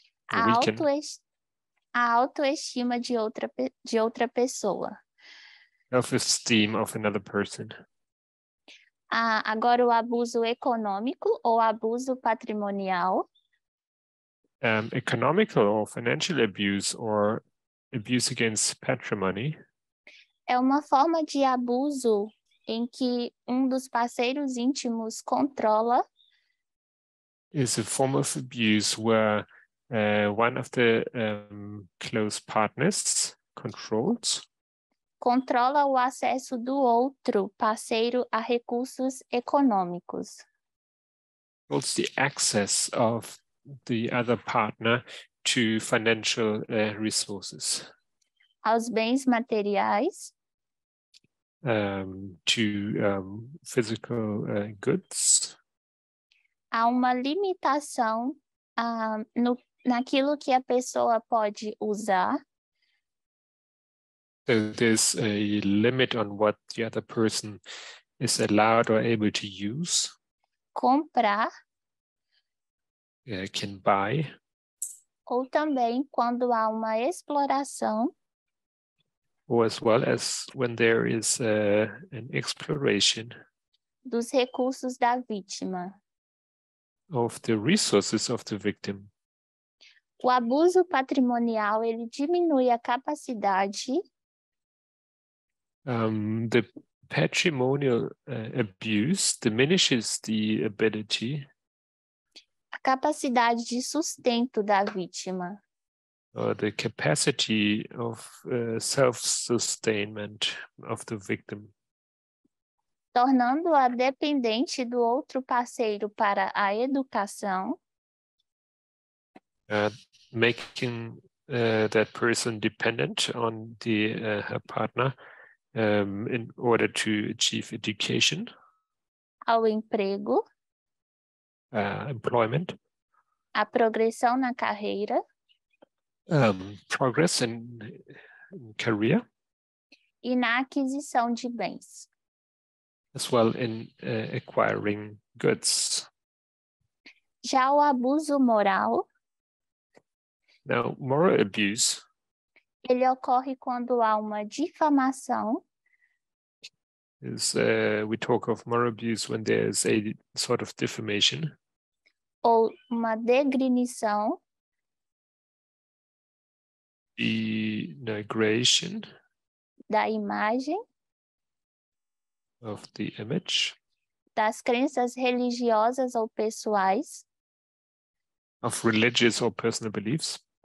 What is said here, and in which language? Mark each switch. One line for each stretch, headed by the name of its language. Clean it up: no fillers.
Portuguese: A autoestima de outra pessoa.
English: Self-esteem of another person.
Portuguese: Agora o abuso econômico ou abuso patrimonial.
English: Economical or financial abuse or abuse against patrimony.
Portuguese: É uma forma de abuso em que um dos parceiros íntimos controla.
English: It's a form of abuse where one of the close partners controls.
Portuguese: Controla o acesso do outro parceiro a recursos econômicos.
English: Controls the access of the other partner to financial resources.
Portuguese: Aos bens materiais.
English: To physical goods.
Portuguese: Há uma limitação naquilo que a pessoa pode usar.
English: So there's a limit on what the other person is allowed or able to use.
Portuguese: Comprar.
English: Can buy.
Portuguese: Ou também quando há uma exploração.
English: Or as well as when there is an exploration.
Portuguese: Dos recursos da vítima.
English: Of the resources of the victim.
Portuguese: O abuso patrimonial, ele diminui a capacidade.
English: The patrimonial abuse diminishes the ability.
Portuguese: A capacidade de sustento da vítima.
English: Or the capacity of self-sustainment of the victim.
Portuguese: Tornando-a dependente do outro parceiro para a educação.
English: Making that person dependent on the her partner in order to achieve education.
Portuguese: Ao emprego.
English: Employment.
Portuguese: A progressão na carreira.
English: Progress in career.
Portuguese: E na aquisição de bens.
English: As well in acquiring goods.
Portuguese: Já o abuso moral.
English: Now, moral abuse.
Portuguese: Ele ocorre quando há uma difamação.
English: Is we talk of moral abuse when there's a sort of defamation.
Portuguese: Ou uma degrinição.
English: Denigration.
Portuguese: Da imagem.
English: Of the image.
Portuguese: Das crenças religiosas ou pessoais.
English: Of religious or personal beliefs.